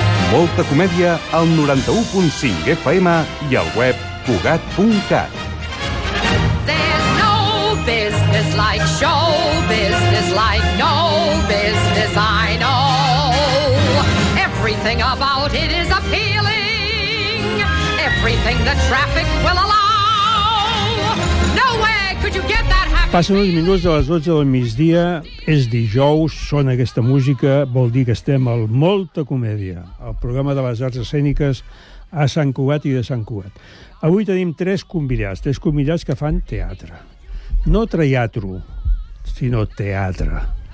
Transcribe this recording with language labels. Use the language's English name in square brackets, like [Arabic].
[Catalan] molta comèdia al 91.5 FM i al web cugat.cat. [English] There's no business like show business, like no business I know. Everything about it is appealing. Everything the traffic will allow. Nowhere could you get that. [Catalan] Passen els minuts de les 12 del migdia, és dijous, sona aquesta música, vol dir que estem al Molta Comèdia, el programa de les arts escèniques a Sant Cugat i de Sant Cugat. Avui tenim tres convidats que fan teatre. No teatro, sinó teatre.